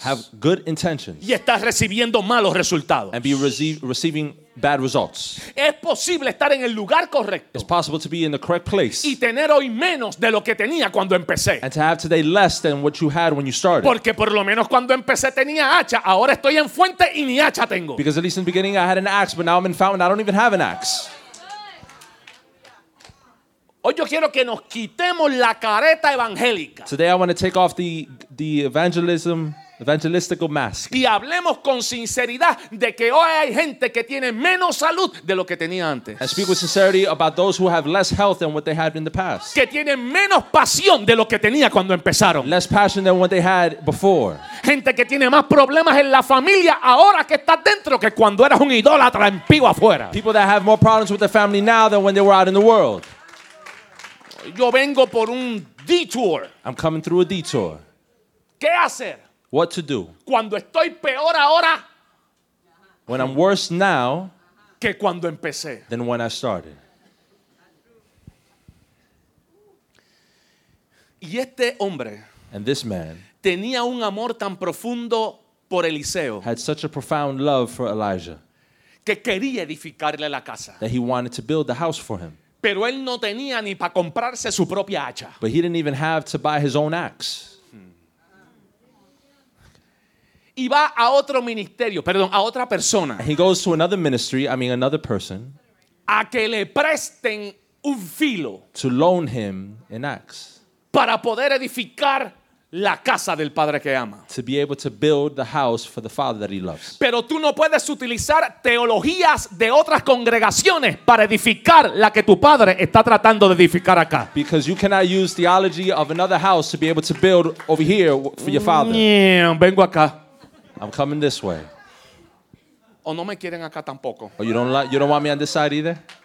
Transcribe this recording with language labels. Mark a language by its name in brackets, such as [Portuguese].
[English] Have good intentions. [Spanish] Y estás recibiendo malos resultados. [English] And be receiving bad results. [Spanish] Es posible estar en el lugar correcto. [English] It's possible to be in the correct place. [Spanish] Y tener hoy menos de lo que tenía cuando empecé. [English] And to have today less than what you had when you started. [Spanish] Porque por lo menos cuando empecé tenía hacha. Ahora estoy en fuente y ni hacha tengo. [English] Because at least in the beginning I had an axe, but now I'm in fountain. I don't even have an axe. [Spanish] Hoy yo quiero que nos quitemos la careta evangélica. [English] Today I want to take off the evangelistical mask. [Spanish] Y hablemos con sinceridad de que hoy hay gente que tiene menos salud de lo que tenía antes. [English] And speak with sincerity about those who have less health than what they had in the past. [Spanish] Que tienen menos pasión de lo que tenía cuando empezaron. [English] Less passion than what they had before. [Spanish] Gente que tiene más problemas en la familia ahora que está dentro que cuando eras un idólatra en pío afuera. [English] People that have more problems with their family now than when they were out in the world. [Spanish] Yo vengo por un detour. [English] I'm coming through a detour. [Spanish] ¿Qué hacer? [English] What to do? [Spanish] Cuando estoy peor ahora. [English] When I'm worse now. [Spanish] Que cuando empecé. [English] Than when I started. [Spanish] Y este hombre. [English] And this man. [Spanish] Tenía un amor tan profundo por Eliseo. [English] Had such a profound love for Elijah. [Spanish] Que quería edificarle la casa. [English] That he wanted to build the house for him. [Spanish] Pero él no tenía ni para comprarse su propia hacha. [English] But he didn't even have to buy his own axe. [Spanish] Y va a otro ministerio, perdón, a otra persona. [English] And he goes to another ministry, I mean another person. [Spanish] A que le presten un filo. [English] To loan him an axe. [Spanish] Para poder edificar la casa del padre que ama. [English] To be able to build the house for the father that he loves. [Spanish] Pero tú no puedes utilizar teologías de otras congregaciones para edificar la que tu padre está tratando de edificar acá. [English] Because you cannot use theology of another house to be able to build over here for your father. [Spanish] Yeah, vengo acá. [English] I'm coming this way. [Spanish] O no me quieren acá tampoco. [English] Oh, you don't want me on this side either?